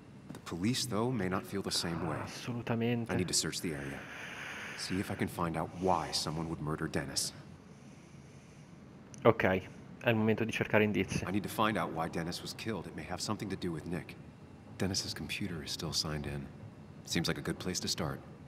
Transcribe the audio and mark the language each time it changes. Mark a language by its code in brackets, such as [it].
[en] The police, though, may not feel the same way. [it] Assolutamente. [en] I need to search the area. See if I can find out why someone would murder Dennis. [it] Okay, è il momento di cercare indizi. [en] I need to find out why Dennis was killed. It may have something to do with Nick. Dennis's computer is still signed in. Seems like a good place to start.